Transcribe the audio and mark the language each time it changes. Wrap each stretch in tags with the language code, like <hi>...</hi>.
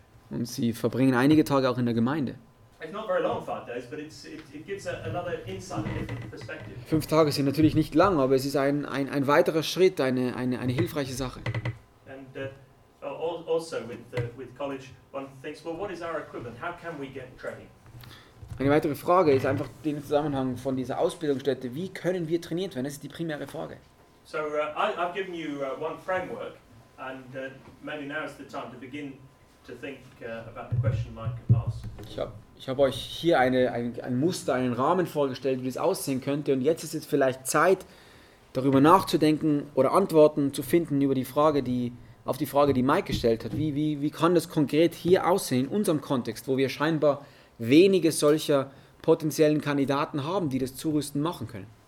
<de>Und sie verbringen einige Tage auch in der Gemeinde.</de> <en>It's not very long, 5 days, but it gives another insight, a different perspective.</en> <de>5 Tage sind natürlich nicht lang, aber es ist ein weiterer Schritt, eine hilfreiche Sache.</de> <en>And also with college, one thinks, well, what is our equivalent? How can we get training?</en> <de>Eine weitere Frage ist einfach den Zusammenhang von dieser Ausbildungsstätte. Wie können wir trainiert werden? Das ist die primäre Frage.</de> <en>So, I've given you one framework, and maybe now is the time to begin to think about the question Mike asked.</en> <de>Ich hab euch hier ein Muster, einen Rahmen vorgestellt, wie das aussehen könnte, und jetzt ist es vielleicht Zeit, darüber nachzudenken oder Antworten zu finden über die Frage, die Mike gestellt hat. Wie kann das konkret hier aussehen in unserem Kontext, wo wir scheinbar wenige solcher potenziellen Kandidaten haben, die das Zurüsten machen können?</de>